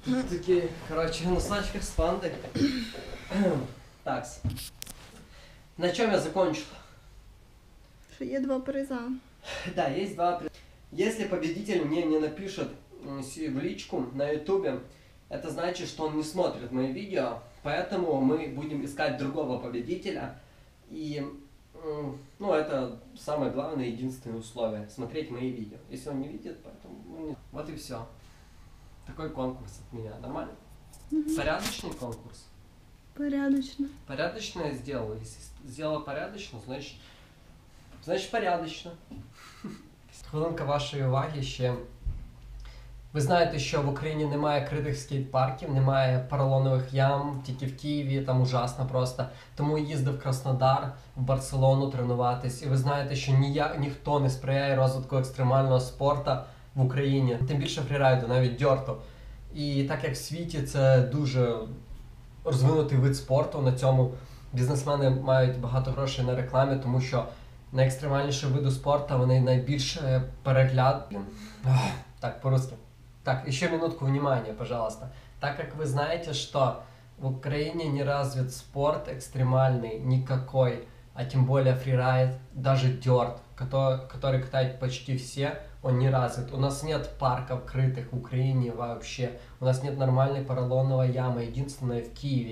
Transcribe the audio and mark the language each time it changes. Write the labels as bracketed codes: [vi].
[uk] Такі, короче, носочки з панди. Такс. На чому я закончив? Що є 2 приза. Да, є 2 приза. Якщо победитель мені не напишет в личку на ютубі, це значить, що він не смотрит мої відео, поэтому ми будемо искати другого победителя. [ru] И, ну, это самое главное, единственное условие. Смотреть мои видео. Если он не видит, поэтому... Нет. Вот и все. Такой конкурс от меня. Нормально? Угу. Порядочный конкурс? Порядочно. Порядочно я сделал. Если сделал порядочно, значит порядочно. [uk] Хвилинка вашей уваги еще. Ви знаєте, що в Україні немає критих скейт-парків, немає поролонових ям, тільки в Києві, там ужасно просто. Тому їздив в Краснодар, в Барселону тренуватись. І ви знаєте, що ніхто не сприяє розвитку екстремального спорту в Україні. Тим більше фрірайду, навіть дьорту. І так як в світі це дуже розвинутий вид спорту, на цьому бізнесмени мають багато грошей на рекламі, тому що найекстремальніші види спорту, вони найбільше перегляд. Так, по-русски. [ru] Так, еще минутку внимания, пожалуйста. Так как вы знаете, что в Украине не развит спорт экстремальный никакой, а тем более фрирайд, даже дёрт, который катают почти все, он не развит. У нас нет парков крытых в Украине вообще. У нас нет нормальной поролоновой ямы, единственное в Киеве.